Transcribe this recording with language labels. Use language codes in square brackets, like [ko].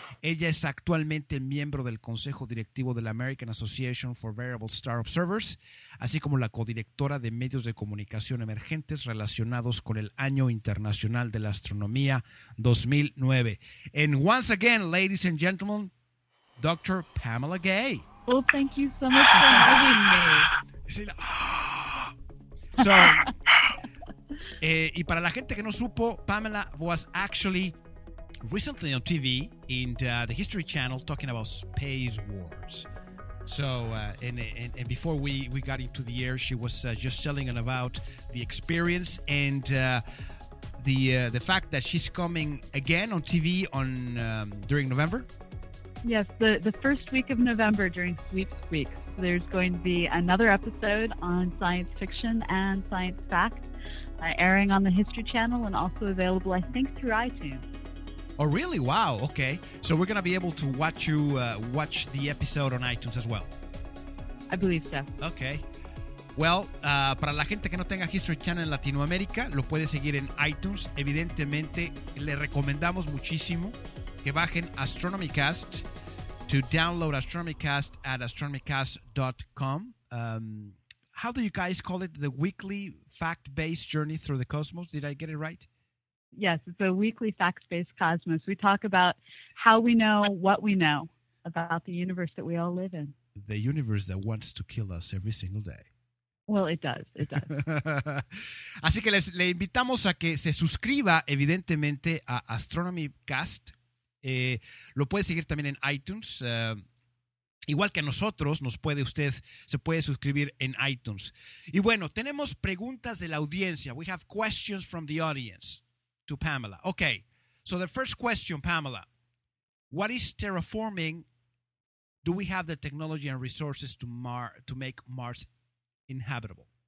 [es] Ella es actualmente miembro del consejo directivo de la American Association for Variable Star Observers, así como la codirectora de medios de comunicación emergentes relacionados con el Año Internacional de la Astronomía 2009. [en] And once again, ladies and gentlemen, Dr. Pamela Gay. Well, thank you so much for having me. Sorry. [es] Y para la gente que no supo, [en] Pamela was actually recently on TV in the History Channel talking about space wars. So, and before we got into the air, she was just telling us about the experience and the fact that she's coming again on TV on during November. Yes, the first week of November during Sweeps Week. There's going to be another episode on science fiction and science fact. Airing on the History Channel and also available, I think, through iTunes. Oh, really? Wow. Okay. So we're going to be able to watch you watch the episode on iTunes as well. I believe so. Okay. [es] Well, para la gente que no tenga History Channel en Latinoamérica, lo puede seguir en iTunes. Evidentemente, le recomendamos muchísimo que bajen Astronomy Cast [en] to download Astronomy Cast at astronomycast.com. How do you guys call it? The weekly fact-based journey through the cosmos? Did I get it right? Yes, it's a weekly fact-based cosmos. We talk about how we know what we know about the universe that we all live in. The universe that wants to kill us every single day. Well, it does. It does. [es] Así que le invitamos a que se suscriba, evidentemente, a Astronomy Cast. Lo puede seguir también en iTunes. Igual que a nosotros, se puede suscribir en iTunes. Y bueno, tenemos preguntas de la audiencia. [en] We have questions from the audience to Pamela. Okay, so the first question, Pamela. What is terraforming? Do we have the technology and resources to make Mars inhabitable?